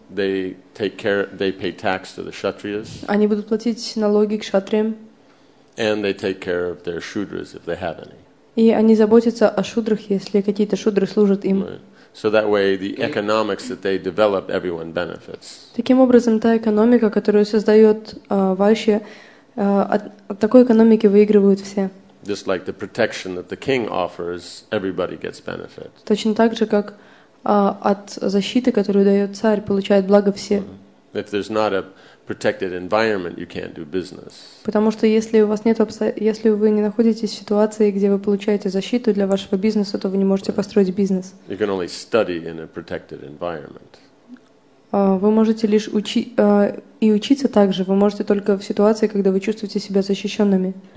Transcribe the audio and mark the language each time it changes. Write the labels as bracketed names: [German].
[English] They take care, they pay tax to the kshatriyas. [Russian] Они будут платить налоги кшатриям. [English] And they take care of their shudras if they have any. [Russian] И они заботятся о шудрах, если какие-то шудры служат им. [English] Right. So that way, the economics that they develop, everyone benefits. [Russian] Таким образом, та экономика, которую создает вайшья, от такой экономики выигрывают все. [English] Just like the protection that the king offers, everybody gets benefit. [Russian] Точно так же, как от защиты, которую дает царь, получают благо все. [English] Mm-hmm. If there's not a protected environment, you can't do business. [Russian] Потому что если вы не находитесь в ситуации, где вы получаете защиту для вашего бизнеса, то вы не можете построить бизнес. [English] You can only study in a protected environment. [Russian] Вы можете лишь и учиться также. Вы можете только в ситуации, когда вы чувствуете себя защищенными.